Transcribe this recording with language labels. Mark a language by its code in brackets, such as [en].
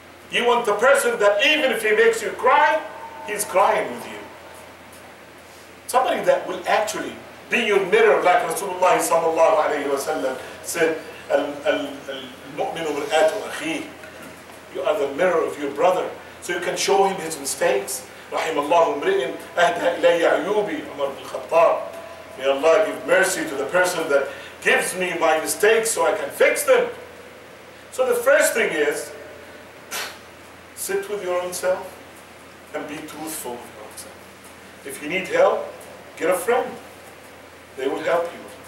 [en] You want the person that even if he makes you cry, he's crying with you. Somebody that will actually be your mirror, like Rasulullah sallallahu alayhi wa sallam said, [ar] المؤمن مرآة أخيه. [en] You are the mirror of your brother, so you can show him his mistakes. [ar] رحم الله امرئ أهدى إلي عيوبي عمر بن الخطاب. [en] May Allah give mercy to the person that gives me my mistakes so I can fix them. So the first thing is, sit with your own self and be truthful with your own self. If you need help, get a friend. They will help you.